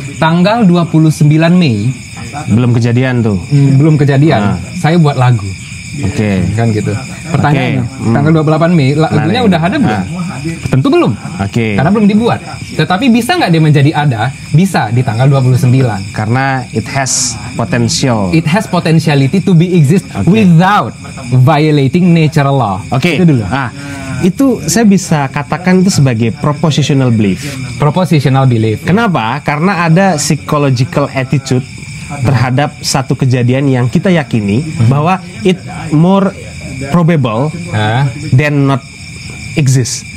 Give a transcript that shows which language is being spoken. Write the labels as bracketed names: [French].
[Indonesian] Tanggal 29 Mei belum kejadian tuh. Belum kejadian. Saya buat lagu. Oke. Okay. Kan gitu. Pertanyaannya, okay. Tanggal 28 Mei lagunya udah ada belum? Tentu belum. Oke. Okay. Karena belum dibuat. Tetapi bisa enggak dia menjadi ada? Bisa di tanggal 29 karena [English] it has potential. It has potentiality to be exist without violating natural law. [Indonesian] Oke. Okay. Itu dulu. Itu saya bisa katakan itu sebagai propositional belief. [English] Propositional belief. [Indonesian] Kenapa? Karena ada [English] psychological attitude [Indonesian] terhadap satu kejadian yang kita yakini bahwa [English] it more probable than not exist.